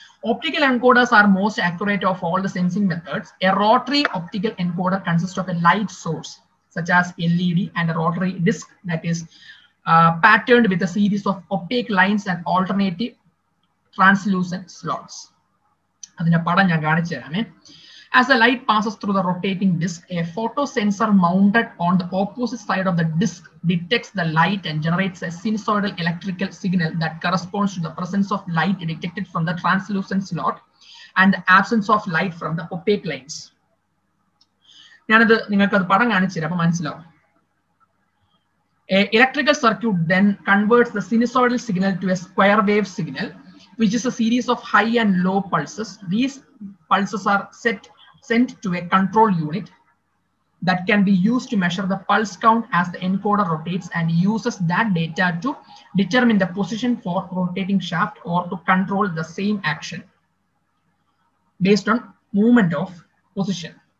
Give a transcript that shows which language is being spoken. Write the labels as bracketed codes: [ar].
[en] Optical encoders are most accurate of all the sensing methods. A rotary optical encoder consist of a light source such as L E D and a rotary disc that is patterned with a series of optic lines and alternative translucent slots. [ml] അതിന്റെ പടം ഞാൻ കാണിച്ചു തരാമേ. [en] As the light passes through the rotating disk, a photosensor mounted on the opposite side of the disk detects the light and generates a sinusoidal electrical signal that corresponds to the presence of light detected from the translucent slot and the absence of light from the opaque lines. [ml] ഞാനത് നിങ്ങൾക്ക് അത് പടം കാണിച്ചു തരാം, അപ്പോൾ മനസ്സിലാവും. [en] A electrical circuit then converts the sinusoidal signal to a square wave signal, which is a series of high and low pulses. These pulses are sent to a control unit that can be used to measure the pulse count as the encoder rotates and uses that data to determine the position for rotating shaft or to control the same action based on movement of position.